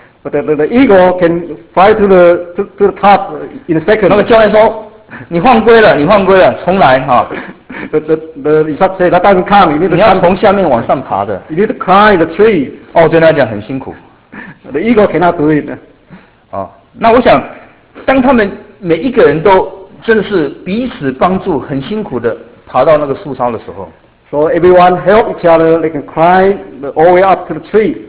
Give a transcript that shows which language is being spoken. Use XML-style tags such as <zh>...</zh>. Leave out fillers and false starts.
<en>But the eagle can fly to the top in a second.</en> <zh>那个教练说，你犯规了，你犯规了，重来哈。</zh> <en>The instructor said, "That doesn't count. You need to climb.</en> <zh>你要从下面往上爬的。</zh> <en>You need to climb the tree."</en> <zh>哦，对他来讲很辛苦。</zh> <en>The eagle cannot do it.</en> <zh>哦，那我想，当他们每一个人都真的是彼此帮助，很辛苦的爬到那个树梢的时候</zh> <en>，So everyone help each other. They can climb all the way up to the tree.</en>